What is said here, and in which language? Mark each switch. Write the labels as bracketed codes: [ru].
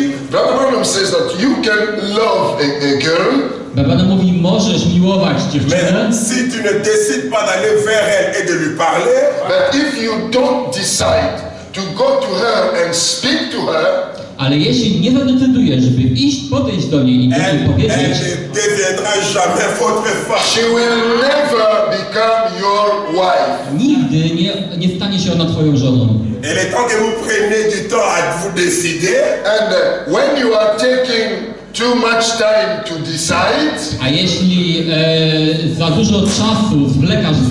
[en] Brother Branham says that you can love a girl. [pl] Brother Branham mówi, możesz miłować dziewczynę. [fr] Si tu ne décides pas d'aller vers elle et de lui parler. [en] But if you don't decide to go to her and speak to her. [pl] Ale jeśli nie zadecydujesz, żeby iść, podejść do niej i do niej powiedzieć, [en] she will never become your wife. [pl] Nigdy nie stanie się ona twoją żoną. [en] And when you are taking too much time to decide, [pl] a jeśli za dużo czasu zwlekasz z